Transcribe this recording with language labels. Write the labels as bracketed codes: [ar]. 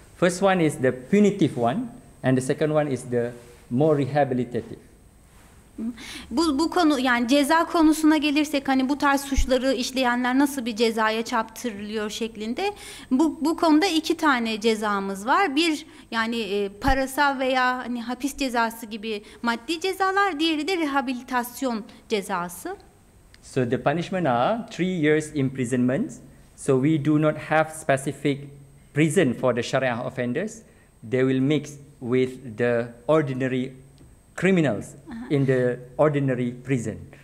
[en] First one is the punitive one and the second one is the more rehabilitative. [tr] Bu konu yani ceza konusuna gelirsek hani bu tarz suçları işleyenler nasıl bir cezaya çarptırılıyor şeklinde bu konuda iki tane cezamız var. Bir yani parasal veya hani hapis cezası gibi maddi cezalar, diğeri de rehabilitasyon cezası. [en] So the punishment are 3 years imprisonment. So we do not have specific prison for the Sharia offenders. They will mix with the ordinary criminals in the ordinary prison.